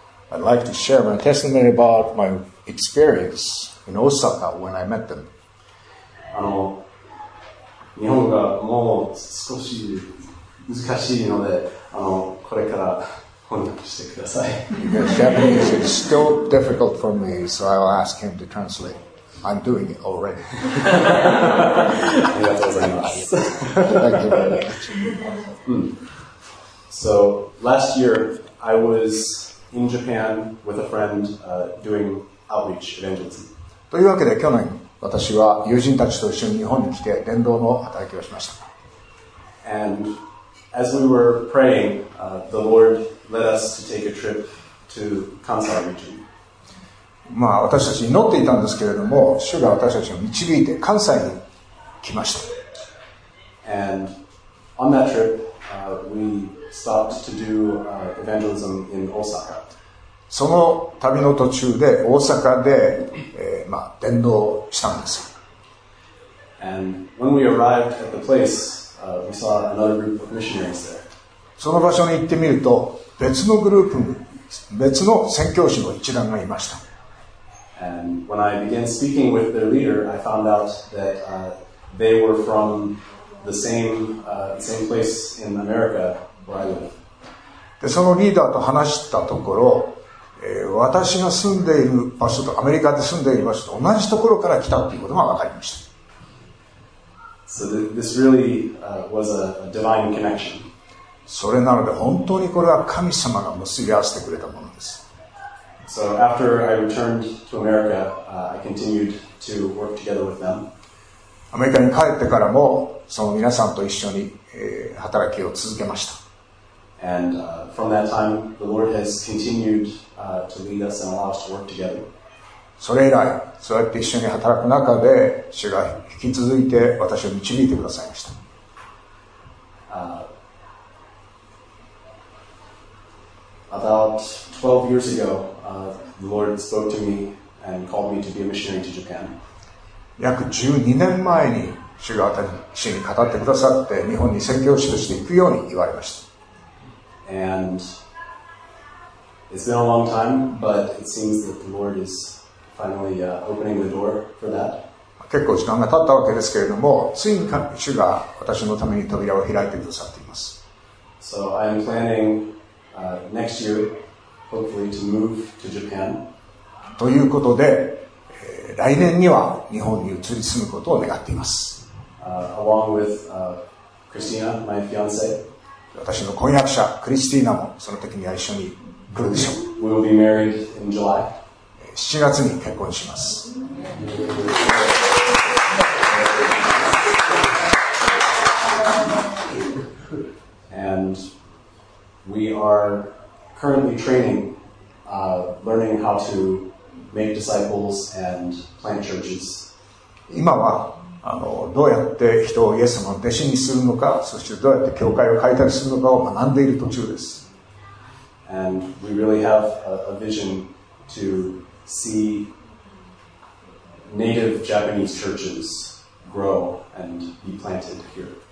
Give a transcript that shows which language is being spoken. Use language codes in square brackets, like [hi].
[en] I'd like to share my testimony about my experience in Osaka when I met them. [ja] 日本がもう少し難しいので、これから翻訳してください。 [en] Because Japanese is still difficult for me, so I will ask him to translate. I'm doing it already. [ja] ありがとうございます。 [en] Thank you very much. So, last year, I was in Japan with a friend doing outreach evangelism. [ja] というわけで、去年、私は友人たちと一緒に日本に来て、伝道の働きをしました。 [en] And as we were praying, the Lord led us to take a trip to Kansai region. [ja] まあ、私たち祈っていたんですけれども、主が私たちを導いて関西に来ました。 [en] And on that trip, we stopped to do evangelism in Osaka. [ja] その旅の途中で大阪で、まあ、伝道したんです。 [en] And when we arrived at the place, we saw another group of missionaries there. [ja] その場所に行ってみると別のグループ、別の宣教師の一団がいました。 [en] And when I began speaking with their leader, I found out that they were from the same place in America where I live. [ja] で、そのリーダーと話したところ私が住んでいる場所とアメリカで住んでいる場所と同じところから来たということが分かりました。 [en] So this really was a divine connection. [ja] それなので本当にこれは神様が結び合わせてくれたものです。 [en] So after I returned to America, I continued to work together with them. [ja] アメリカに帰ってからもその皆さんと一緒に働きを続けました。 [en] And from that time, the Lord has continued to lead us and allow us to work together. [ja] それ以来、そうやって一緒に働く中で、主が引き続いて私を導いてくださいました。 [en] About 12 years ago, the Lord spoke to me and called me to be a missionary to Japan. [ja] 約12年前に主が私に語ってくださって、日本に宣教師として行くように言われました。 [en] And it's been a long time, but it seems that the Lord is finally opening the door for that. [ja] 結構時間が経ったわけですけれども、ついに主が私のために扉を開いてくださっています。 [en] So I'm planning next year, hopefully to move to Japan. [ja] ということで、来年には日本に移り住むことを願っています。 [en] Along with Christina, my fiance. [ja] 私の婚約者クリスティーナもその時には一緒に来るでしょう。 [en] We'll be married in July. [ja] 7月に結婚します。 [en] And we are currently training, learning how to make disciples and plant churches. [ja] 今はどうやって人をイエス様の弟子にするのか、そしてどうやって教会を開拓するのかを学んでいる途中です。 [en] And we really have a vision to see native Japanese churches grow and be planted here.